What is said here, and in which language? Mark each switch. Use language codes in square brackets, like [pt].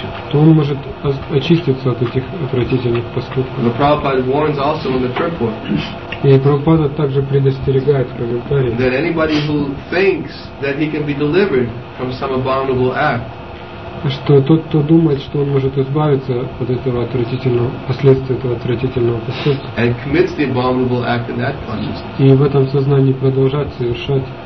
[ru] То он может очиститься от этих отвратительных поступков. [en] The Prabhupada warns also in the purport. [ru] И Прабхупада также предостерегает в комментарии. [en] That anybody who thinks that he can be delivered from some abominable act. [ru] Что тот, кто думает, что он может избавиться от этого отвратительного последствия этого отвратительного поступка. [en] And commits the abominable act in that consciousness. [ru] И в этом сознании продолжать совершать.